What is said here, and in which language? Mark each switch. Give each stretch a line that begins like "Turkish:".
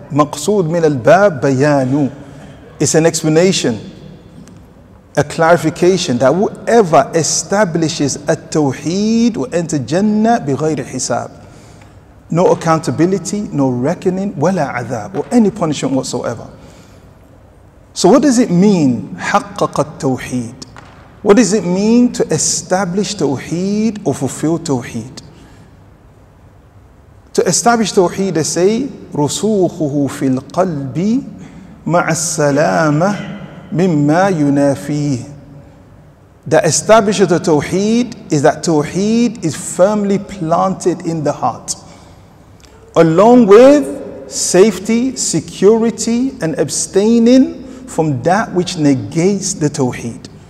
Arabic: مَقْصُود مِنَ الْبَابِ بَيَانُ.
English: It's an explanation, a clarification, that whoever establishes a tawheed will enter Jannah
Arabic: بِغَيْرِ حِسَابِ.
English: No accountability, no reckoning,
Arabic: وَلَا عَذَابٍ,
English: or any punishment whatsoever. So what does it mean,
Arabic: حَقَّقَ التَّوْحِيدِ?
English: What does it mean to establish tawheed or fulfill tawheed? To establish tawheed, they say,
Arabic: رُسُوخُهُ فِي الْقَلْبِ مَعَ السَّلَامَةِ مِمَّا يُنَافِيهِ.
English: That establishes the tawheed is that tawheed is firmly planted in the heart, along with safety, security, and abstaining from that which negates the tawheed.